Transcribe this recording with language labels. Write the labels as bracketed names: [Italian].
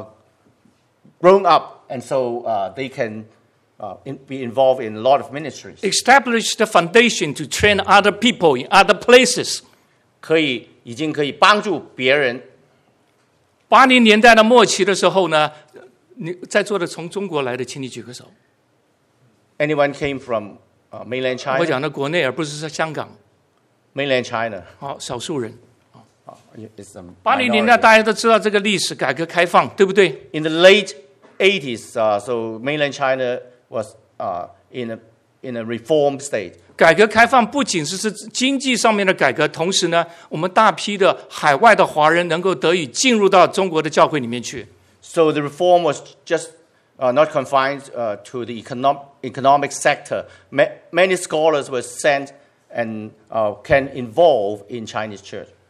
[English] have been grown up, and so they can be involved in a lot of ministries. Establish the foundation to train other people in other places. [Chinese] 已经可以帮助别人。 80年代的末期的时候呢, 你在座的从中国来的, 请你举个手。 [English] Anyone came from mainland China? [Chinese] 我讲的国内, 而不是说香港。 [English] Mainland China. [Chinese] 好, 少数人。 [English] It's a minority. [Chinese] 80年代大家都知道这个历史, 改革开放, 对不对? [English] In the late 80s, so mainland China was in a reform state. [Chinese] 改革开放不仅是经济上面的改革, 同时呢, 我们大批的海外的华人能够得以进入到中国的教会里面去。 [English] So the reform was just not confined to the economic sector. Many scholars were sent and can involve in Chinese church.